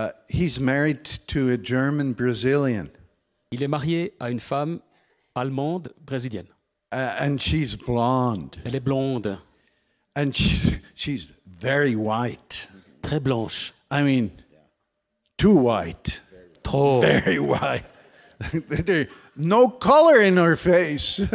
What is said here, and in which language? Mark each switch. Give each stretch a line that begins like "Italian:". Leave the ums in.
English: he's married to a German Brazilian.
French: Il est marié à une femme allemande brésilienne.
English: Uh, and she's blonde.
French: Elle est blonde.
English: And she's, she's very white.
French: Très mm blanche.
English: -hmm. I mean, too white. Oh. Very white. no color in her face.